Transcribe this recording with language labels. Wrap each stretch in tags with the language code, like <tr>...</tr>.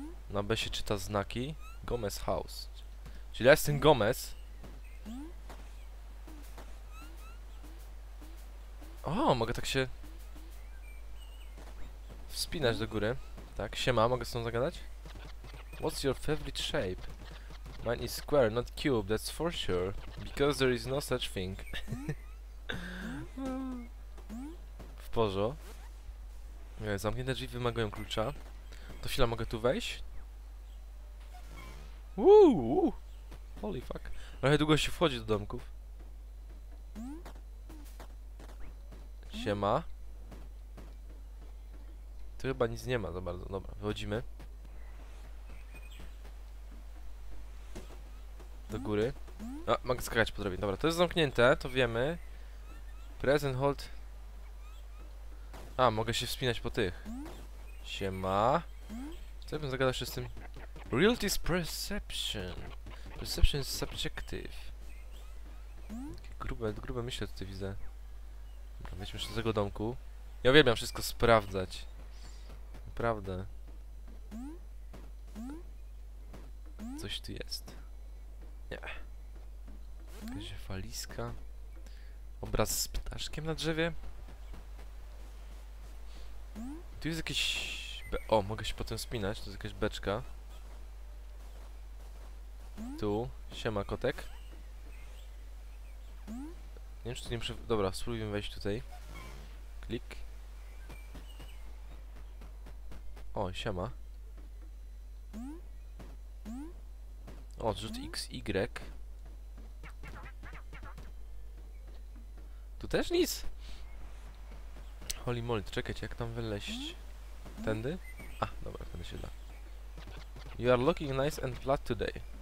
<pl>Na B się czyta znaki. Gomez House. Czyli ja jestem Gomez. O, mogę tak się... wspinać do góry. Tak, siema, mogę z tą zagadać?</pl> <en>What's your favorite shape? Mine is square, not cube, that's for sure. Because there is no such thing.</en> <pl>W porządku. Zamknięte drzwi wymagają klucza. To chwila, mogę tu wejść?</pl> <en>Holy fuck.</en> <pl>Trochę długo się wchodzi do domków. Siema. Tu chyba nic nie ma za bardzo. Dobra, wychodzimy. Do góry. A, mogę skakać po drobie. Dobra, to jest zamknięte, to wiemy.</pl> <en>Present hold.</en> <pl>A, mogę się wspinać po tych. Siema. Co ja bym zagadał się z tym?</pl> <en>Reality is perception. Perception is subjective.</en> <pl>Takie grube myśli tutaj widzę. Dobra, weźmy się do tego domku. Ja uwielbiam wszystko sprawdzać. Naprawdę. Coś tu jest. Nie. Jakaś faliska. Obraz z ptaszkiem na drzewie. Tu jest jakieś... O, mogę się potem spinać. To jest jakaś beczka. Tu. Siema, kotek. Nie wiem, czy tu nie muszę... Dobra, spróbujmy wejść tutaj. Klik. O, siema. Odrzut XY. Tu też nic.</pl> <en>Holy moly,</en> <pl>czekajcie, jak tam wyleźć? Tędy? A, dobra, tędy się da.</pl> <en>You are looking nice and flat today.</en>